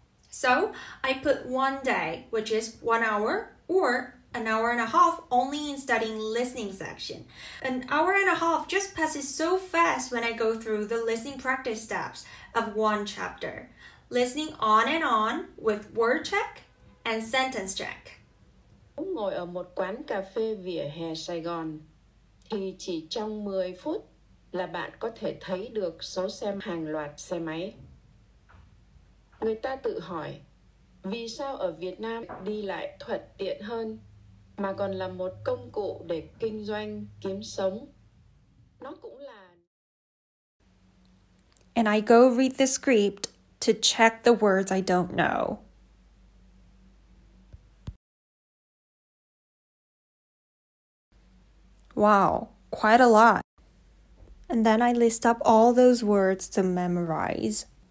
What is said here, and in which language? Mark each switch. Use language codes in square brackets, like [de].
[en] So I put 1 day, which is 1 hour or an hour and a half, only in studying listening section. An hour and a half just passes so fast when I go through the listening practice steps of one chapter. Listening on and on with word check and sentence check. [vi] Ngồi ở một quán cà phê vỉa hè Sài Gòn thì chỉ trong 10 phút là bạn có thể thấy được số xem hàng loạt xe máy. Người ta tự hỏi, vì sao ở Việt Nam đi lại thuận tiện hơn mà còn là một công cụ để kinh doanh, kiếm sống. Nó cũng là... [en] And I go read the script to check the words I don't know. Wow, quite a lot. And then I list up all those words to memorize.